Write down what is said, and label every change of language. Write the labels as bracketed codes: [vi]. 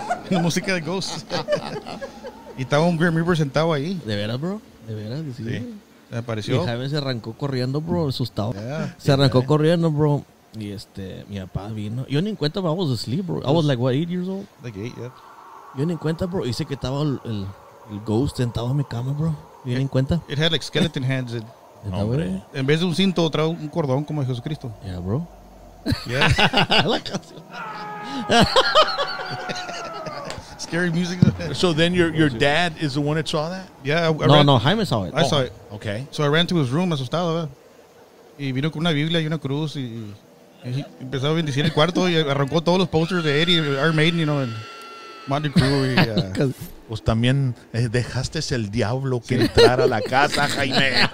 [es] La música de Ghost. Y estaba un Grim Reaper sentado ahí. ¿De veras, bro? ¿De veras? Sí. Me apareció. Y Jaime se arrancó corriendo, bro, asustado. Yeah. Se arrancó corriendo, bro. Y mi papá vino. Yo ni en cuenta, [en] but I was asleep, bro. I was like, what, 8 years old? Like 8, yeah. [es] Yo ni en cuenta, bro. Dice que estaba el ghost sentado en mi cama, bro. ¿Vienen en cuenta? [en] It had like skeleton hands. [es] Hombre. En vez de un cinto, trae un cordón como de Jesucristo. [en] Yeah, bro. Yeah. [es] La canción. [en] Scary music. So then your dad is the one that saw that? Yeah. No, Jaime saw it. I saw it. Okay. So I ran to his room [es] asustado. Y vino con una Biblia y una cruz. Y empezaba a bendecir el cuarto y arrancó todos los posters de Eddie, Iron Maiden, [en] you know, [es] and Motley Crue. pues también dejaste el diablo que entrara a la casa, Jaime.